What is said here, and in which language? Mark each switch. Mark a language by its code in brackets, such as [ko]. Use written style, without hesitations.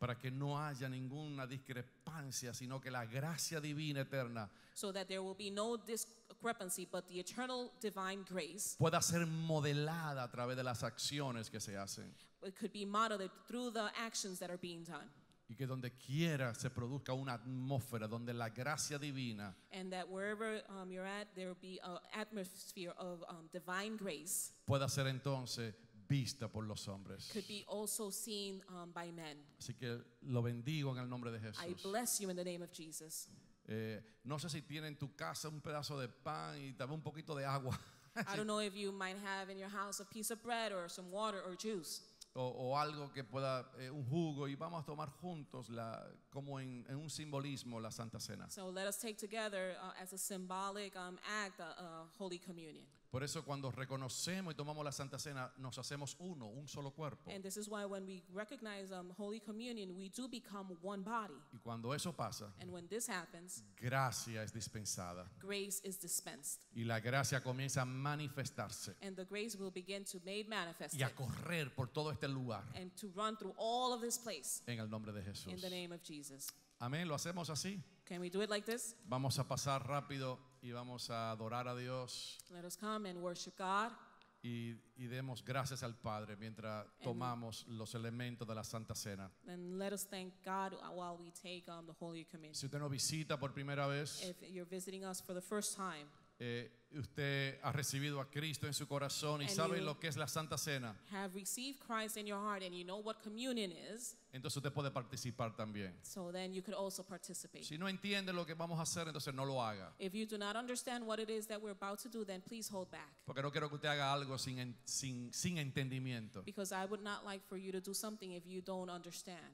[es] para que no haya ninguna discrepancia, sino que la gracia divina eterna, [en] so that there will be no discrepancy, but the eternal divine grace, [es] pueda ser modelada a través de las acciones que se hacen, [en] it could be modeled through the actions that are being done. [es] Y que donde quiera se produzca una atmósfera donde la gracia divina, [en] and that wherever you're at there will be an atmosphere of divine grace, [es] pueda ser entonces vista por los hombres, [en] could be also seen by men. [es] Así que lo bendigo en el nombre de Jesús. [en] I bless you in the name of Jesus. [es] No sé si tiene en tu casa un pedazo de pan y también un poquito de agua. [en] I don't know if you might have in your house a piece of bread or some water or juice. [es] O algo que pueda un jugo y vamos a tomar juntos la como en un simbolismo la Santa Cena. [en] So let us take together as a symbolic act a Holy Communion. [es] Por eso cuando reconocemos y tomamos la Santa Cena nos hacemos uno, un solo cuerpo. [en] And this is why when we recognize Holy Communion we do become one body. [es] Y cuando eso pasa, [en] and when this happens, [es] gracia es dispensada. [en] Grace is dispensed. [es] Y la gracia comienza a manifestarse. [en] And the grace will begin to be manifested. [es] Y a correr por todo este lugar. [en] And to run through all of this place. [es] En el nombre de Jesús. [en] In the name of Jesus. [es] Amén, lo hacemos así. [en] Can we do it like this? [es] Vamos a pasar rápido y vamos a adorar a Dios. [en] Let us come and worship God. [es] Y demos gracias al Padre mientras tomamos los elementos de la Santa Cena. [en] And let us thank God while we take the Holy Communion. [es] Si usted nos visita por primera vez, [en] if you're visiting us for the first time, [es] usted ha recibido a Cristo en su corazón y sabe lo que es la Santa Cena, [en] have received Christ in your heart and you know what communion is, [es] entonces usted puede participar también. [en] So then you could also participate. [es] Si no entiende lo que vamos a hacer, entonces no lo haga. [en] If you do not understand what it is that we're about to do, then please hold back. [es] Porque no quiero que usted haga algo sin entendimiento. [en] Because I would not like for you to do something if you don't understand.